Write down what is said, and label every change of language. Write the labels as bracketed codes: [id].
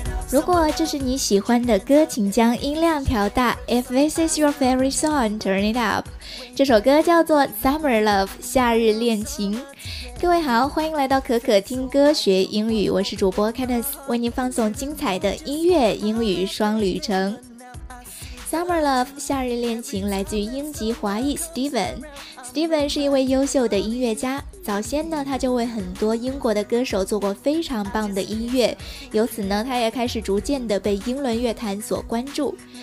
[zh] 如果这是你喜欢的歌，请将音量调大。 [en] If this is your favorite song, turn it up. [zh] 这首歌叫做 Summer Love, 夏日恋情。各位好，欢迎来到可可听歌学英语，我是主播 Candice, 为您放送精彩的音乐英语双旅程。 Summer Love, 夏日恋情来自于英籍华裔 Steven。 Steven 是一位优秀的音乐家，早先呢，他就为很多英国的歌手做过非常棒的音乐，由此呢，他也开始逐渐的被英伦乐坛所关注。